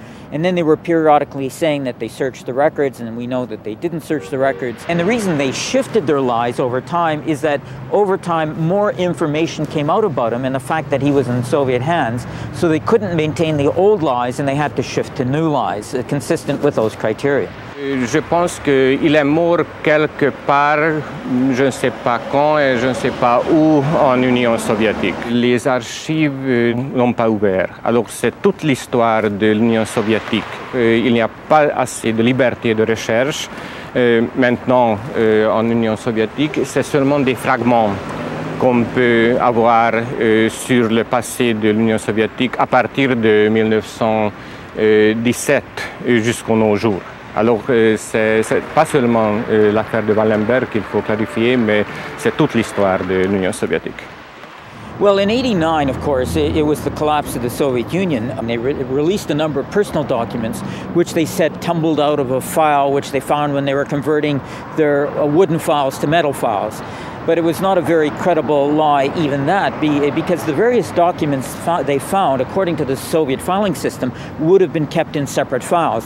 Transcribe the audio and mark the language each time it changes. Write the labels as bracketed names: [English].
[English] And then they were periodically saying that they searched the records, and we know that they didn't search the records. And the reason they shifted their lies over time is that over time, more information came out about him and the fact that he was in Soviet hands. So they couldn't maintain the old lies, and they had to shift to new lies, consistent with those criteria. [French] Je pense qu'il est mort quelque part, je ne sais pas quand et je ne sais pas où, en Union soviétique. Les archives n'ont pas ouvert. Alors c'est toute l'histoire de l'Union soviétique. Il n'y a pas assez de liberté de recherche. Maintenant, en Union soviétique, c'est seulement des fragments qu'on peut avoir sur le passé de l'Union soviétique à partir de 1917 jusqu'à nos jours. Alors, c'est pas seulement l'affaire de Wallenberg qu'il faut clarifier, mais c'est toute l'histoire de l'Union soviétique. [English] Well, in 89, of course, it was the collapse of the Soviet Union. And they released a number of personal documents, which they said tumbled out of a file, which they found when they were converting their wooden files to metal files. But it was not a very credible lie, even that, because the various documents they found, according to the Soviet filing system, would have been kept in separate files.